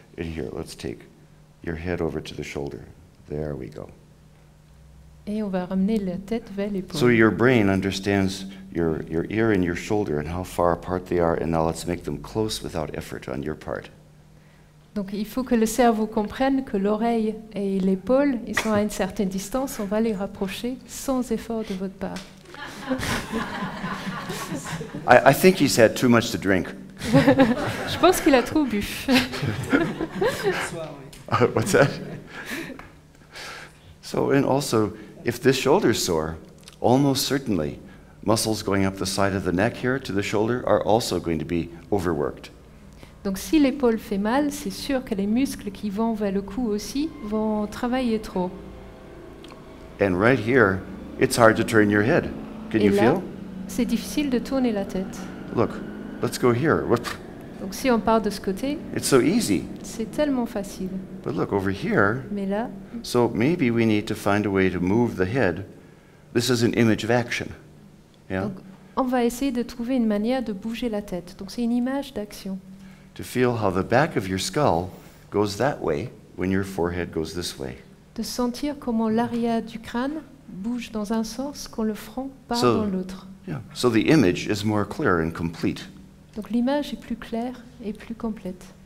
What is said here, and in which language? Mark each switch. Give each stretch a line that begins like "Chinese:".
English: And here, let's take your head over to the shoulder. There we go.
French: Et on va ramener la tête vers l'épaule.
English: So your brain understands your ear and your shoulder and how far apart they are, and now let's make them close without effort on your part.
French: Donc il faut que le cerveau comprenne que l'oreille et l'épaule, ils sont à une certaine distance, on va les rapprocher sans effort de votre part.
English: I think he's had too much to drink.
French: Je pense qu'il a trop bu.
English: What's that? So, and also, if this shoulder is sore, almost certainly muscles going up the side of the neck here to the shoulder are also going to be overworked.
French: Donc si l'épaule fait mal, c'est sûr que les muscles qui vont vers le cou aussi vont travailler trop.
English: And right here, it's hard to turn your head. Can
French: Et
English: you
French: là,
English: feel?
French: C'est difficile de tourner la tête.
English: Look, let's go here. What?
French: Donc si on part de ce côté,
English: it's so easy.
French: C'est tellement facile.
English: But look over here.
French: Mais là.
English: So maybe we need to find a way to move the head. This is an image of action. Yeah.
French: Donc, on va essayer de trouver une manière de bouger la tête. Donc c'est une image d'action.
English: To feel how the back of your skull goes that way when your forehead goes this way.
French: De sentir comment l'arrière du crâne bouge dans un sens quand le front part
English: so,
French: dans l'autre.
English: Yeah. So the image is more clear and complete.
French: Donc l'image est plus claire et plus complète.